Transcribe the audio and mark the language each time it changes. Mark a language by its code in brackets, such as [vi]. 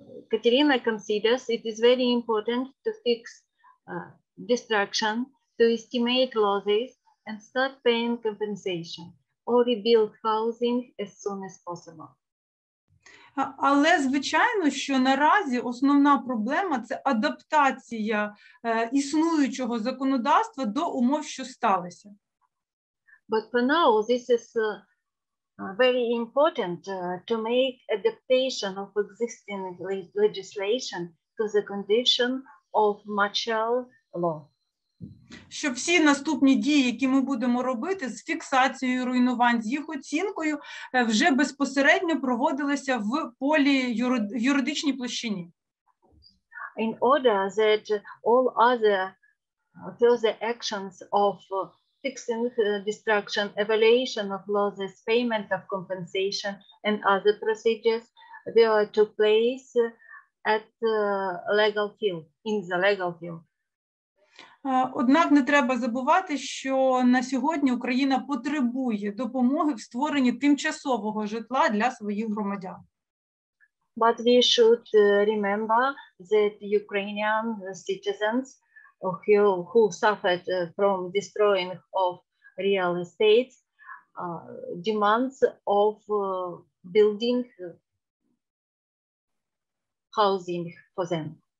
[en] Katerina considers it is very important to fix destruction, to estimate losses, and start paying compensation or rebuild housing as soon as possible. [uk] Але звичайно, що наразі основна проблема – це адаптація існуючого законодавства до умов, що сталися. [en] But for now, this is very important to make adaptation of existing legislation to the condition of martial law. [uk] Щоб всі наступні дії, які ми будемо робити з фіксацією руйнувань, з їх оцінкою, вже безпосередньо проводилися в полі юридичній площині. [en] In order that all other further actions of fixing destruction, evaluation of losses, payment of compensation, and other procedures were to place at the legal field, in the legal field. [uk] Однак не треба забувати, що на сьогодні Україна потребує допомоги в створенні тимчасового житла для своїх громадян. [en] But we should remember that Ukrainian citizens who suffered from destroying of real estate demands of building housing for them.